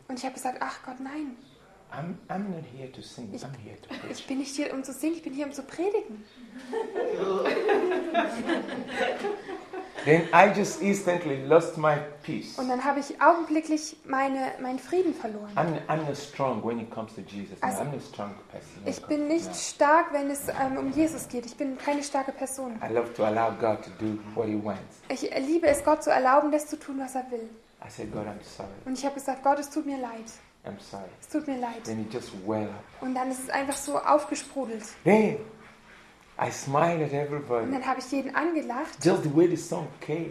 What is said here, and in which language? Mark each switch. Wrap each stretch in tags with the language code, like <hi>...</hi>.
<de>Und ich habe gesagt, ach Gott, nein.</de> <en>I'm not here to sing. I'm here to preach.</en> <de>Ich bin nicht hier, um zu singen. Ich bin hier, um zu predigen.</de> <en>Then I just instantly lost my peace.</en> <de>Und dann habe ich augenblicklich meinen Frieden verloren.</de> <en>I'm not strong when it comes to Jesus.</en> <de>Also,</de> <en>I'm not a strong person.</en> <de>Ich bin nicht stark, wenn es um Jesus geht. Ich bin keine starke Person.</de> <en>I love to allow God to do what He wants.</en> <de>Ich liebe es, Gott zu erlauben, das zu tun, was er will.</de> <en>I said, God, I'm sorry.</en> <de>Und ich habe gesagt, Gott, es tut mir leid.</de> <en>I'm sorry.</en> <de>Es tut mir leid.</de> <en>Then it just welled up.</en> <de>Und dann ist es einfach so aufgesprudelt.</de> <en>Then I smiled at everybody.</en> <de>Und dann habe ich jeden angelacht.</de> <en>Just the way the song came.</en>